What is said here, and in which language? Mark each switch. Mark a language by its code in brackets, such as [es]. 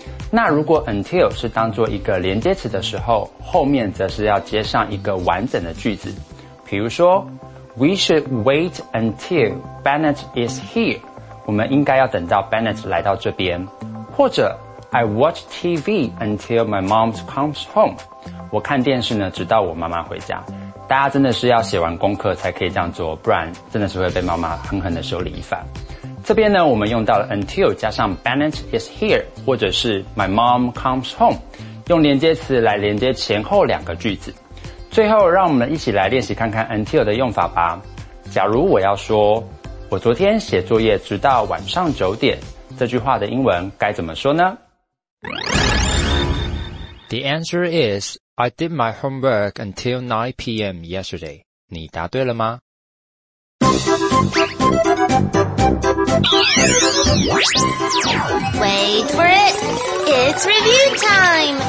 [zh] 那如果 until 是当作一个连接词的时候，后面则是要接上一个完整的句子。比如说 [en] We should wait until Bennett is here. [zh] 我们应该要等到 Bennett 来到这边。或者 [en] I watch TV until my mom comes home. [zh] 我看电视呢，直到我妈妈回家。大家真的是要写完功课才可以这样做，不然真的是会被妈妈狠狠的修理一番。这边呢，我们用到了 until 加上 Bennett is here 或者是 [en] my mom comes home， [zh] 用连接词来连接前后两个句子。最后让我们一起来练习看看 until 的用法吧。假如我要说我昨天写作业直到晚上九点，这句话的英文该怎么说呢？ [en] The answer is I did my homework until 9 PM yesterday. [zh] 你答对了吗？ [en] Wait for it. It's review time.